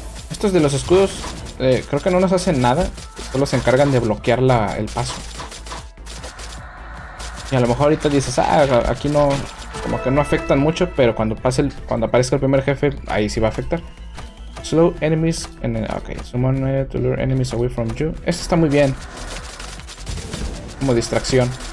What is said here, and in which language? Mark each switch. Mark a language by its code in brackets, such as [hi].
[es] Estos de los escudos, creo que no nos hacen nada, solo se encargan de bloquear el paso. Y a lo mejor ahorita dices, ah, aquí no, como que no afectan mucho, pero cuando aparezca el primer jefe, ahí sí va a afectar. [en] Slow enemies, ok, summon to lure enemies away from you. [es] Esto está muy bien, como distracción.